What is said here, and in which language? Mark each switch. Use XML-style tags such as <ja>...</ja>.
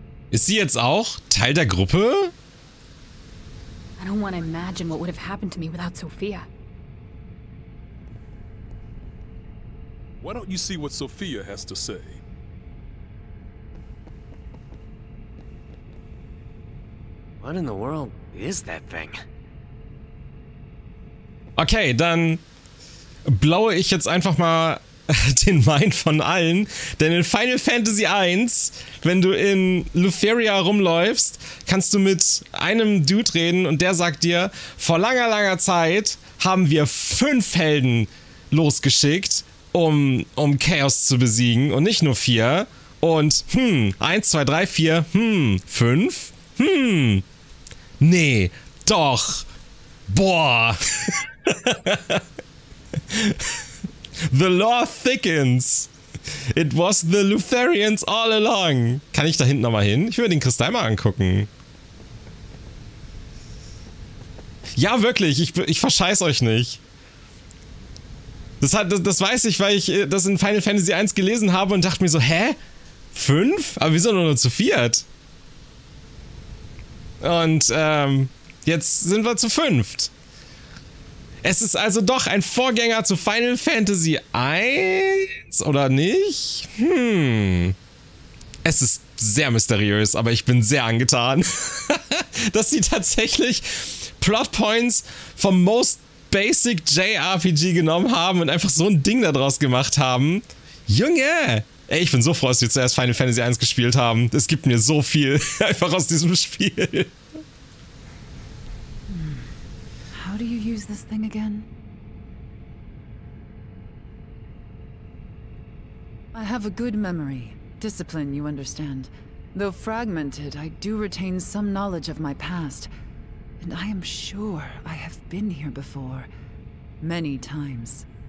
<de>Ist sie jetzt auch Teil der Gruppe?</de> <en>I don't want to imagine what would have happened to me without Sophia. Why don't you see what Sophia has to say? What in the world is that thing?</en> <de>Okay, dann blaue ich jetzt einfach mal den Mind von allen, denn in Final Fantasy 1, wenn du in Lutheria rumläufst, kannst du mit einem Dude reden und der sagt dir, vor langer, langer Zeit haben wir 5 Helden losgeschickt, um Chaos zu besiegen und nicht nur 4 und 1, 2, 3, 4, 5, nee, doch, boah.</de> <en>The law thickens. It was the Lutherians all along.</en> <de>Kann ich da hinten nochmal hin? Ich würde den Kristall mal angucken. Ja, wirklich. Ich verscheiß euch nicht. Das weiß ich, weil ich das in Final Fantasy 1 gelesen habe und dachte mir so, hä? 5? Aber wieso nur zu 4? Und jetzt sind wir zu 5. Es ist also doch ein Vorgänger zu Final Fantasy 1, oder nicht? Es ist sehr mysteriös, aber ich bin sehr angetan, dass sie tatsächlich Plotpoints vom Most Basic JRPG genommen haben und einfach so ein Ding daraus gemacht haben. Junge! Ey, ich bin so froh, dass wir zuerst Final Fantasy 1 gespielt haben. Es gibt mir so viel einfach aus diesem Spiel.</de> <en>How do you use this thing again? I have a good memory. Discipline, you understand. Though fragmented, I do retain some knowledge of my past. And I am sure I have been here before. Many times.</en>